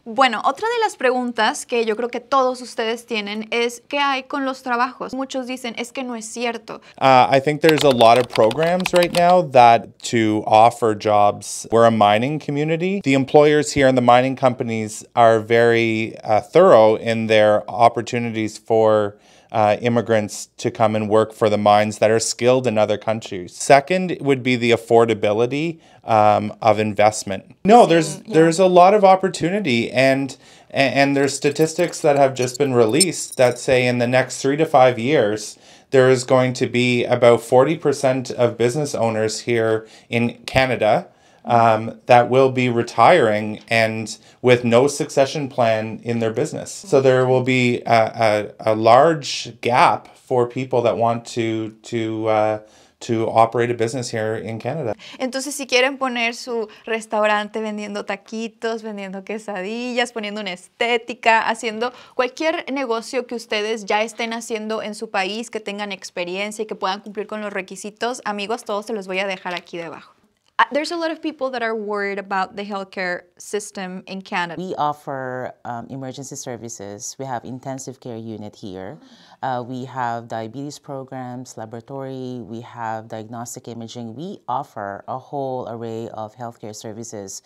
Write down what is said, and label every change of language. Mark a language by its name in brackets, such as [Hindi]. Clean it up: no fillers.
[Spanish] Bueno, otra de las preguntas que yo creo que todos ustedes tienen es ¿qué hay con los trabajos? Muchos dicen, es que no es cierto. [English] I think there's a lot of programs right now that to offer jobs. We're a mining community. The employers here and the mining companies are very thorough in their opportunities for immigrants to come and work for the mines that are skilled in other countries. Second would be the affordability of investment. No, there's a lot of opportunity and there's statistics that have just been released that say in the next 3 to 5 years, there is going to be about 40% of business owners here in Canada that will be retiring and with no succession plan in their business. So there will be a large gap for people that want to operate a business here in Canada. [Spanish] Entonces, si quieren poner su restaurante vendiendo taquitos, vendiendo quesadillas, poniendo una estética, haciendo cualquier negocio que ustedes ya estén haciendo en su país, que tengan experiencia y que puedan cumplir con los requisitos, amigos, todos se los voy a dejar aquí debajo. [English] There's a lot of people that are worried about the healthcare system in Canada. We offer emergency services. We have intensive care unit here. We have diabetes programs, laboratory. We have diagnostic imaging. We offer a whole array of healthcare services.